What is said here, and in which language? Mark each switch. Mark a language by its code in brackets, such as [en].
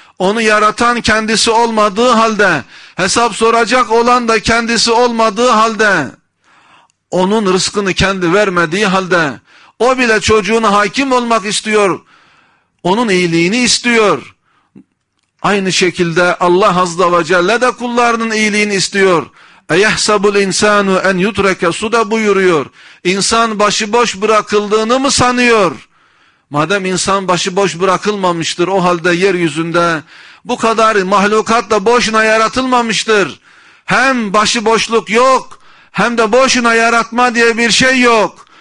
[tr] Onu yaratan kendisi olmadığı halde, hesap soracak olan da kendisi olmadığı halde, onun rızkını kendi vermediği halde o bile çocuğuna hakim olmak istiyor. Onun iyiliğini istiyor. Aynı şekilde Allah Azze ve Celle de kullarının iyiliğini istiyor. [ar] اَيَحْسَبُ الْاِنْسَانُ اَنْ يُتْرَكَ سُدَ [tr] buyuruyor. İnsan başıboş bırakıldığını mı sanıyor? Madem insan başıboş bırakılmamıştır, o halde yeryüzünde bu kadar mahlukat da boşuna yaratılmamıştır. Hem başıboşluk yok, hem de boşuna yaratma diye bir şey yok.